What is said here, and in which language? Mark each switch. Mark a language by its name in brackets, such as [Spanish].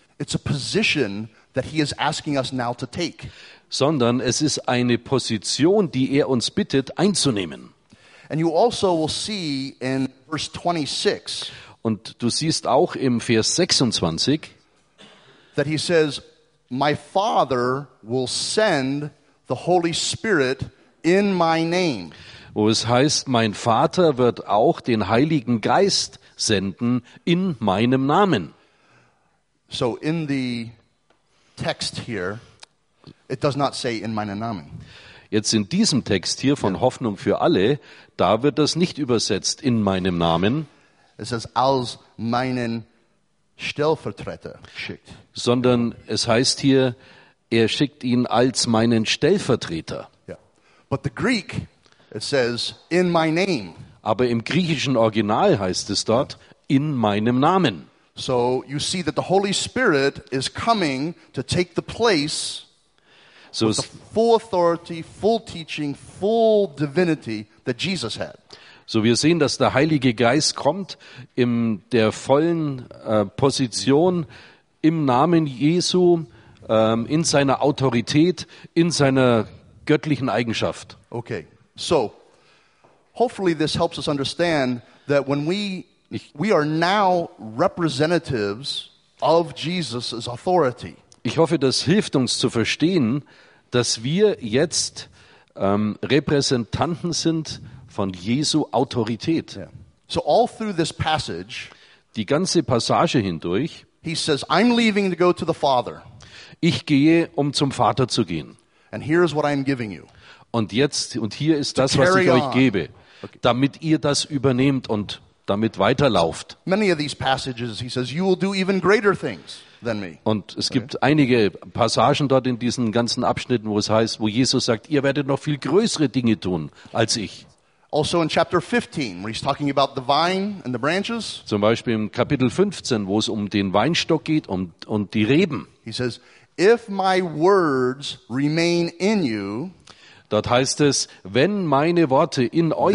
[English] It's a position that he is asking us now to take. [German] Sondern es ist eine Position, die er uns bittet einzunehmen. [English] And you also will see in verse 26. [German] Und du siehst auch im Vers 26, [English] that he says, "My Father will send the Holy Spirit in my name." [German] Wo es heißt, mein Vater wird auch den Heiligen Geist senden in meinem Namen. [English] So in the text here, it does not say [German] in meinem Namen. Jetzt in diesem Text hier von Hoffnung für alle, da wird das nicht übersetzt in meinem Namen. Es ist aus meinen Stellvertreter schickt. Sondern es heißt hier, er schickt ihn als meinen Stellvertreter. [English] Yeah. But the Greek, it says, in my name. [German] Aber im griechischen Original heißt es dort, in meinem Namen. [English] So you see that the Holy Spirit is coming to take the place [German] so [English] with the full authority, full teaching, full divinity that Jesus had. [German] So wir sehen, dass der Heilige Geist kommt in der vollen Position im Namen Jesu, in seiner Autorität, in seiner göttlichen Eigenschaft. [English] Okay, so hopefully this helps us understand that when we are now representatives of Jesus' authority. [German] Ich hoffe, das hilft uns zu verstehen, dass wir jetzt Repräsentanten sind von Jesu Autorität. [English] So all through this passage, [German] die ganze Passage hindurch, [English] he says, I'm leaving to go to the Father. [German] Ich gehe, um zum Vater zu gehen. [English] And here is what I'm giving you. [German] Und hier ist das, was ich euch gebe, damit ihr das übernehmt und damit weiterlauft. [English] Many of these passages, he says, you will do even greater things than me. [German] Und es gibt einige Passagen dort in diesen ganzen Abschnitten, wo es heißt, wo Jesus sagt, ihr werdet noch viel größere Dinge tun als ich. [English] Also in chapter 15, where he's talking about the vine and the branches. [German] Zum Beispiel im Kapitel 15, wo es den Weinstock geht und die Reben. [English] He says, if my words remain in you, [German] dort heißt es, wenn meine Worte in euch